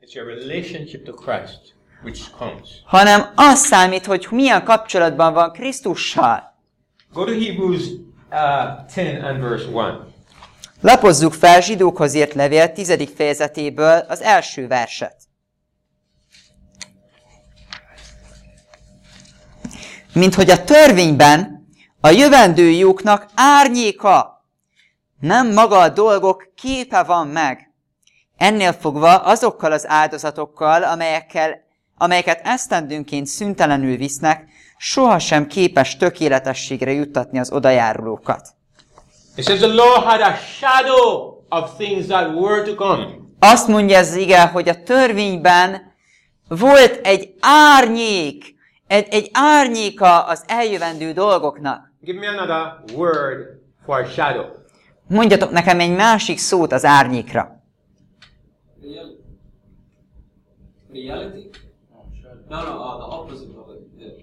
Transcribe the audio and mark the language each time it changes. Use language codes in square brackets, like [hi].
[en] It's your relationship to Christ, which comes. [hu] Hanem az számít, hogy milyen kapcsolatban van Krisztussal. [en] Go to Hebrews 10 and verse 1. [hu] Lapozzuk fel Zsidókhoz írt levél 10. fejezetéből az első verset. Mint hogy a törvényben a jövendő jóknak árnyéka, nem maga a dolgok képe van meg. Ennél fogva azokkal az áldozatokkal, amelyeket esztendőnként szüntelenül visznek, sohasem képes tökéletességre juttatni az odajárulókat. [en] It says the law had a shadow of things that were to come. [hu] Azt mondja ez ige, hogy a törvényben volt egy árnyéka az eljövendő dolgoknak. [en] Give me another word for a shadow. [hu] Mondjatok nekem egy másik szót az árnyékra. [en] Reality? No, the opposite of it.